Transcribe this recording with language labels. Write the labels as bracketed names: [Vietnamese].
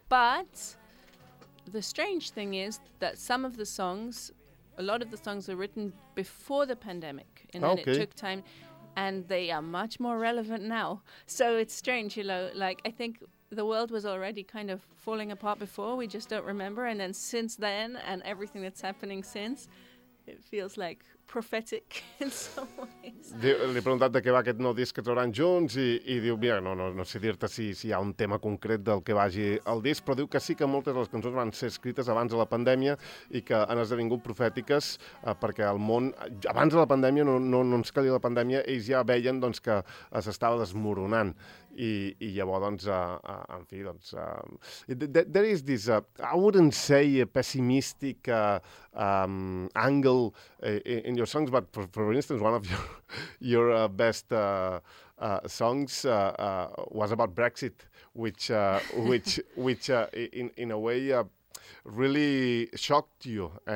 [English] But the strange thing is that some of the songs, a lot of the songs were written before the pandemic, and then it took time, and they are much more relevant now. So it's strange, you know, like I think the world was already kind of falling apart before, we just don't remember, and then since then, and everything that's happening since, it feels like prophetic in some ways. [Catalan] Li he preguntat de què va aquest nou disc que trauran junts i diu, mira, no sé dir-te si hi ha un tema concret del que vagi el disc, però diu que sí que moltes de les cançons van ser escrites abans de la pandèmia i que han esdevingut profètiques perquè el món, abans de la pandèmia, no ens calia la pandèmia, ells ja veien doncs, que s'estava desmoronant. I llavors, doncs, en fi, doncs... [English] There is this, I wouldn't say a pessimistic angle in your songs, but for instance, one of your best songs was about Brexit, which in a way really shocked you.